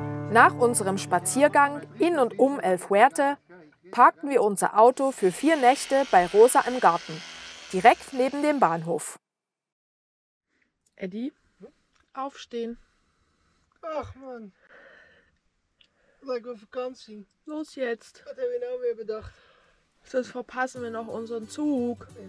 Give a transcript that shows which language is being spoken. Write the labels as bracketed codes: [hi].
[de] Nach unserem Spaziergang in und um El Fuerte parkten wir unser Auto für 4 Nächte bei Rosa im Garten, direkt neben dem Bahnhof. Eddie, aufstehen. [nl] Ach man, lijkt wel Vakantie. [de] Los jetzt. Was haben wir noch mehr bedacht? Sonst verpassen wir noch unseren Zug.